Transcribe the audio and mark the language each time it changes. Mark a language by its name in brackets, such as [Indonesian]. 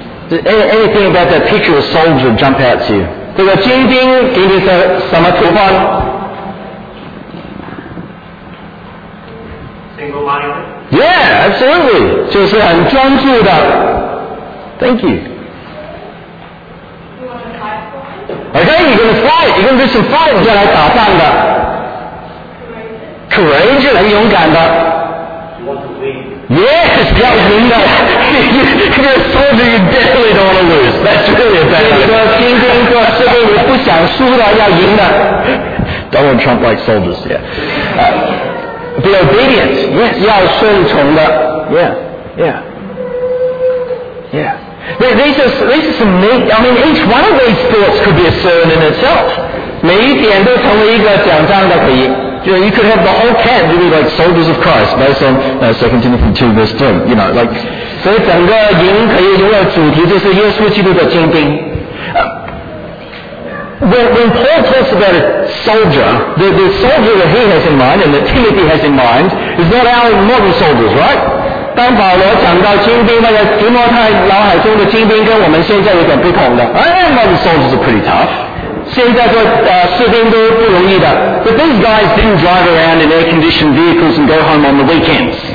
[English] Anything about that picture of a soldier jump out to you? [Chinese] 这个精兵给你的什么图画？ [English] Single-minded? Yeah, absolutely. [Chinese] 就是很专注的。 [English] Thank you. Okay, you're going to fight. You're going to do some fighting. [Chinese] 要来打仗的。 [English] Courageous. [Chinese] 很勇敢的。 [English] Yes, that was me. You're a soldier, you definitely don't want to lose. That's really a bad one. You're a soldier, you're a soldier, you're a soldier, you're a soldier, you're a soldier. Donald Trump likes soldiers, yeah. Be obedient, yes. [Chinese] 要顺从的. [English] Yeah. These are some neat, I mean, each one of these thoughts could be a sermon in itself. [Chinese] 每一点都成为一个讲章的可以。 [English] You could have the whole camp really like soldiers of Christ based on 2 Timothy 2 verse 3, you know, like. [Chinese] 所以整个营可以拥有主题就是耶稣基督的精兵。 [English] When Paul talks about a soldier, the soldier that he has in mind and that Timothy has in mind is not our modern soldiers, right? [Chinese] 当保罗讲到精兵，那个提摩太脑海中的精兵跟我们现在有点不同的。 [English] Modern soldiers are pretty tough. [Chinese] 现在说士兵都不容易的。 [English] But these guys didn't drive around in air-conditioned vehicles and go home on the weekends.